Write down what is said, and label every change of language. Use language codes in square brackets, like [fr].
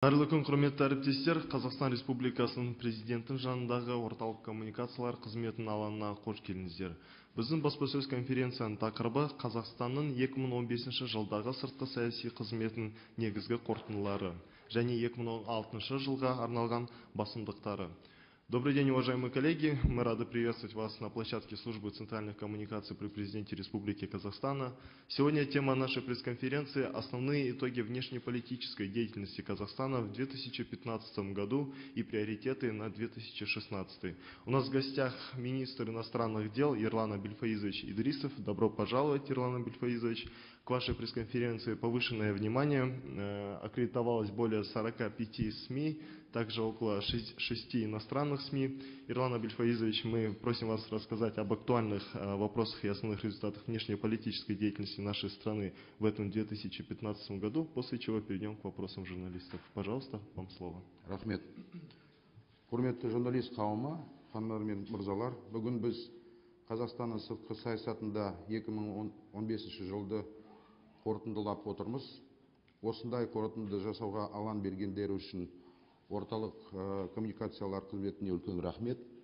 [kk] Қайырлы күн, құрметті әріптестер, Қазақстан Республикасының президенті жанындағы орталық коммуникациялар қызметінің алаңына қош келдіңіздер. Біздің баспасөз конференцияның тақырыбы Қазақстанның 2015 жылдағы сыртқы саяси қызметінің негізгі қорытындылары және 2016 жылға арналған басымдықтары. [ru] Добрый день, уважаемые коллеги. Мы рады приветствовать вас на площадке службы центральных коммуникаций при президенте Республики Казахстана. Сегодня тема нашей пресс-конференции – основные итоги внешнеполитической деятельности Казахстана в 2015 году и приоритеты на 2016. У нас в гостях министр иностранных дел Ерлан Абильфаизович Идрисов. Добро пожаловать, Ерлан Абильфаизович. К вашей пресс-конференции повышенное внимание. Аккредитовалось более 45 СМИ, также около 6 иностранных СМИ. Ерлан Абильфаизович, мы просим вас рассказать об актуальных вопросах и основных результатах внешнеполитической деятельности нашей страны в этом 2015 году, после чего перейдем к вопросам журналистов. Пожалуйста, вам слово. [kk] Рахмет. Курметті журналист қауыма, ханнар мен мырзалар, бүгін біз Қазақстанның сыртқы саясатында 2015 жылды қорытындылап отырмыз. Осындай қорытынды жасауға алан бергендері үшін орталық коммуникациялар қызметіне үлкен рахмет.